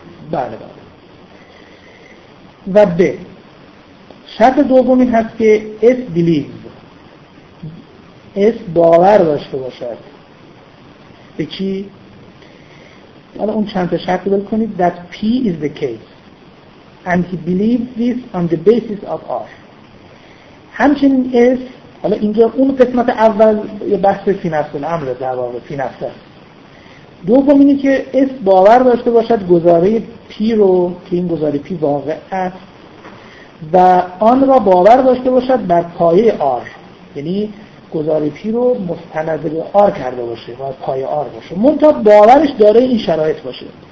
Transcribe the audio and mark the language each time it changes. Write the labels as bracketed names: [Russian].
[Persian] بله بله. و ب شرط دوم این هست که اس بیلیو، اس باور داشته باشد. به چی؟ حالا اون چند تا شرط رو بکنید. [English] That P is the case and he believes this on the basis of R. [Persian] همچنین S، حالا اینجا اون قسمت اول یه بحث فی نفس الامر در واقع فی نفس است. دوم اینه که S باور داشته باشد گزاره P رو، که این گزاره P واقع است، و آن را باور داشته باشد بر پایه R، یعنی گزاره پی رو مستند به آر کرده باشه، باید پای آر باشه، منتها باورش داره این شرایط باشه.